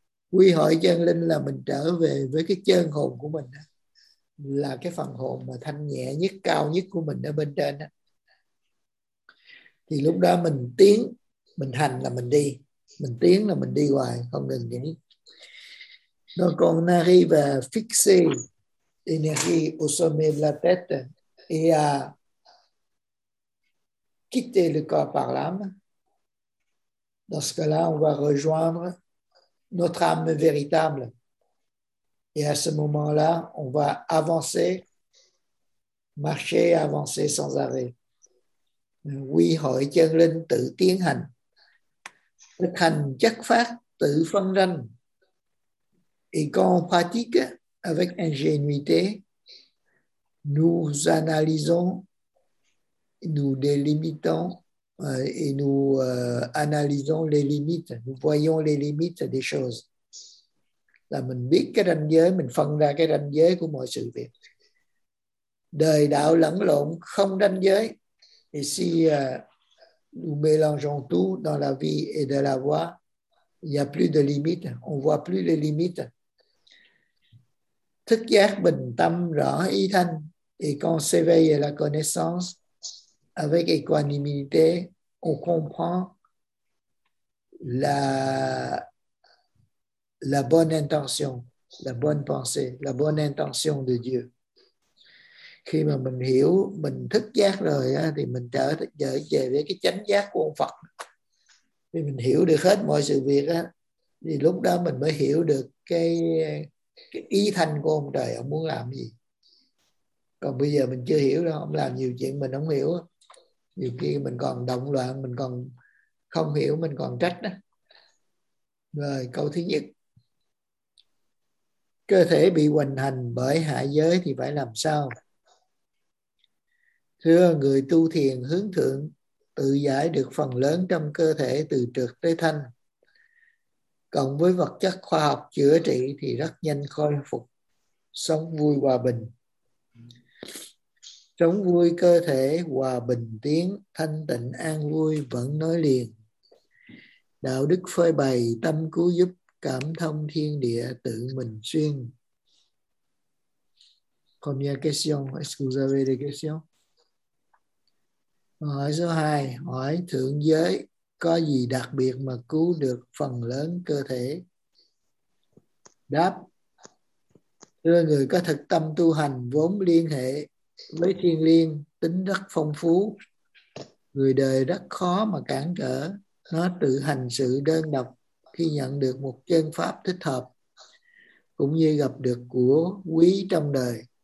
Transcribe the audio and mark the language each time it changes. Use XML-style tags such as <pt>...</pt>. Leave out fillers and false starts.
<vi>Quy hội chân linh là mình trở về với cái chân hồn của mình, là cái phần hồn mà thanh nhẹ nhất, cao nhất của mình ở bên trên. Thì lúc đó mình tiến, mình hành là mình đi, mình tiến là mình đi hoài, không ngừng nghỉ.</vi> <fr>Donc on arrive à fixer l'énergie au sommet de la tête et à quitter le corps par l'âme. Dans ce cas-là, on va rejoindre notre âme véritable. Et à ce moment-là, on va avancer, marcher, avancer sans arrêt.</fr> <vi>Oui, hội chân linh tự tiến hành, thực hành chất phát, tự phân ranh.</vi> <fr>Et quand on pratique avec ingénuité, nous analysons, nous délimitons et nous analysons les limites. Nous voyons les limites des choses.</fr> <vi>Là mình biết cái ranh giới, mình phân ra cái ranh giới của mọi sự việc. Đời đạo lẫn lộn, không ranh giới.</vi> <fr>Et si nous mélangeons tout dans la vie et de la voie, il n'y a plus de limites, on ne voit plus les limites.</fr> <vi>Thức giác bình tâm rõ ý thanh,</vi> <fr>et quand on s'éveille à la connaissance avec équanimité, on comprend la bonne intention, la bonne pensée, la bonne intention de Dieu.</fr> <vi>Khi mà mình hiểu, mình thức giác rồi á, thì mình trở về với cái chánh giác của ông Phật. Thì mình hiểu được hết mọi sự việc á, thì lúc đó mình mới hiểu được cái ý thanh của ông trời, ông muốn làm gì. Còn bây giờ mình chưa hiểu đâu, ông làm nhiều chuyện mình không hiểu. Nhiều khi mình còn động loạn, mình còn không hiểu, mình còn trách đó. Rồi câu thứ nhất. Cơ thể bị hoành hành bởi hạ giới thì phải làm sao? Thưa người tu thiền hướng thượng, tự giải được phần lớn trong cơ thể từ trực tới thanh, cộng với vật chất khoa học chữa trị thì rất nhanh khôi phục, sống vui hòa bình. Sống vui cơ thể, hòa bình tiếng, thanh tịnh an vui vẫn nói liền. Đạo đức phơi bày, tâm cứu giúp, cảm thông thiên địa tự mình xuyên.</vi> <fr>Première question, est-ce que vous avez des questions?</fr> <vi>Hỏi số 2, hỏi thượng giới có gì đặc biệt mà cứu được phần lớn cơ thể? Đáp, thưa người có thực tâm tu hành vốn liên hệ với thiên liên, tính rất phong phú, người đời rất khó mà cản trở, nó tự hành sự đơn độc khi nhận được một chân pháp thích hợp, cũng như gặp được của quý trong đời.</vi>